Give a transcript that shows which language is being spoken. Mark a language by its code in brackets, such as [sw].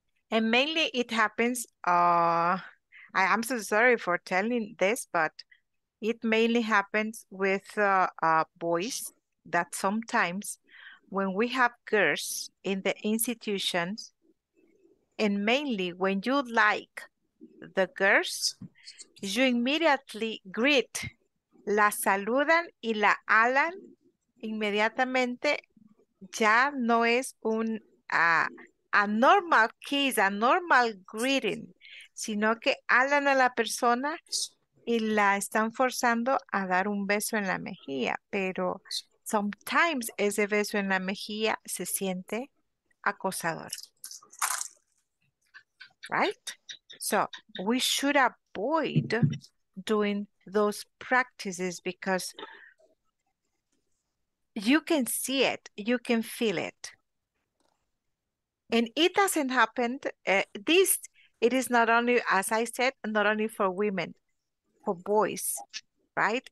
[en] And mainly it happens, I am so sorry for telling this, but it mainly happens with boys, that sometimes when we have girls in the institutions, and mainly when you like the girls, you immediately greet, [es] la saludan y la alan inmediatamente. Ya no es un [en] a normal kiss, a normal greeting, [es] sino que alan a la persona y la están forzando a dar un beso en la mejilla. Pero [en] sometimes [es] ese beso en la mejilla se siente acosador. [en] Right? So we should avoid doing those practices because you can see it, you can feel it. And it doesn't happen. This, it is not only, as I said, not only for women, for boys, right?